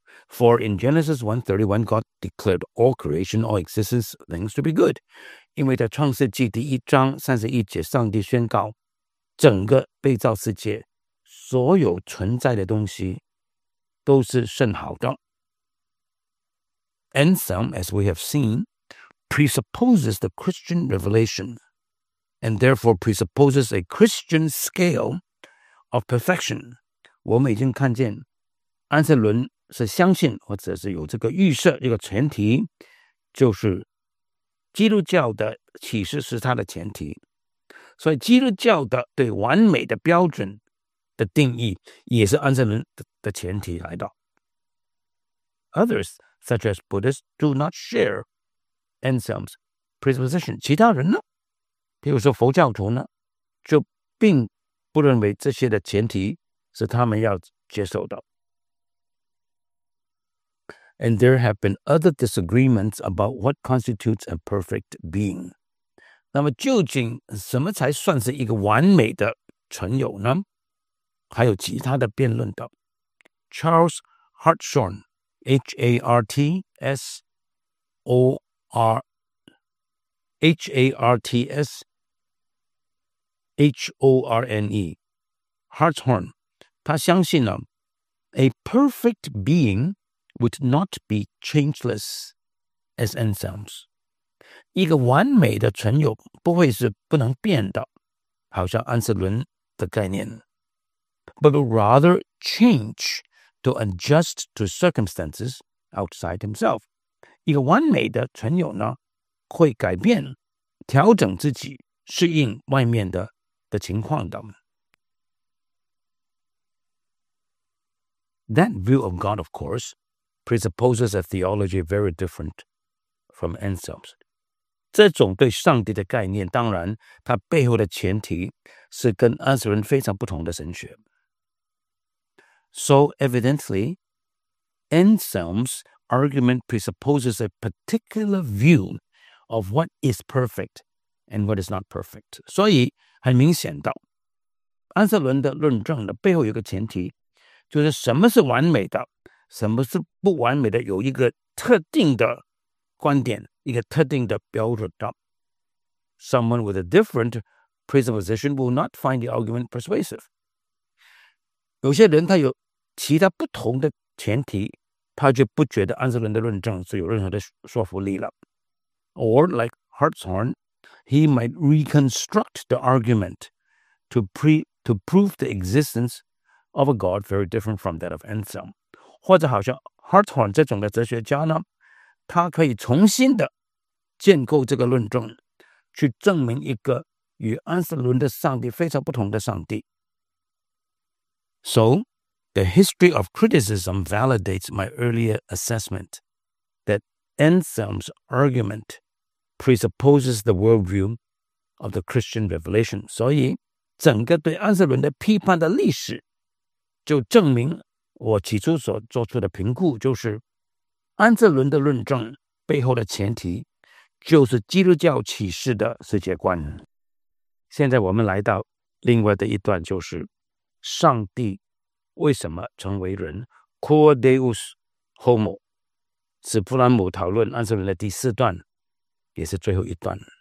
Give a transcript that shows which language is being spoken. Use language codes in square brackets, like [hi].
[en] For in Genesis 1:31, God declared all creation, all existence, things to be good. [zh] 因为在创世纪第一章三十一节，上帝宣告整个被造世界所有存在的东西。都是甚好的。 [en] Anselm, as we have seen, presupposes the Christian revelation and therefore presupposes a Christian scale of perfection. [zh] 我们已经看见安瑟伦是相信或者是有这个预设一个前提就是基督教的启示是他的前提。所以基督教的对完美的标准的定义也是安瑟伦的前提来的。 [en] Others, such as Buddhists, do not share Anselm's presupposition. [zh] 其他人呢？比如说佛教徒呢，就并不认为这些的前提是他们要接受的。 [en] And there have been other disagreements about what constitutes a perfect being. [zh] 那么究竟什么才算是一个完美的存有呢？还有其他的辩论的。 [en] Charles Hartshorne, H-A-R-T-S-O-R-N-E, Hartshorne, [zh] 他相信了 [en] a perfect being would not be changeless as Anselm's. [zh] 一个完美的存有不会是不能变的，好像安瑟伦的概念 [en] but rather change to adjust to circumstances outside himself. [zh] 一个完美的存有呢会改变调整自己适应外面 的情况的。 [en] That view of God, of course, presupposes a theology very different from Anselm's. [zh] 这种对上帝的概念当然它背后的前提是跟安瑟伦非常不同的神学。 [en] So evidently, Anselm's argument presupposes a particular view of what is perfect and what is not perfect. [zh] 所以很明显的安瑟伦的论证的背后有个前提就是什么是完美的什么是不完美的有一个特定的观点一个特定的标准的。 [en] Someone with a different presupposition will not find the argument persuasive. [zh] 有些人他有其他不同的前提他就不觉得安瑟伦的论证是有任何的说服力了。 [en] Or like Hartshorne, he might reconstruct the argument to prove the existence of a God very different from that of Anselm. [zh] 或者好像 Hartshorne 这种的哲学家呢他可以重新的建构这个论证去证明一个与安瑟伦的上帝非常不同的上帝。 [en] So, the history of criticism validates my earlier assessment that Anselm's argument presupposes the worldview of the Christian revelation. [zh] 所以整个对安瑟伦的批判的历史就证明我起初所做出的评估就是安瑟伦的论证背后的前提就是基督教启示的世界观。现在我们来到另外的一段就是上帝为什么成为人 Quo Deus Homo 使弗兰姆讨论安瑟伦的第四段也是最后一段。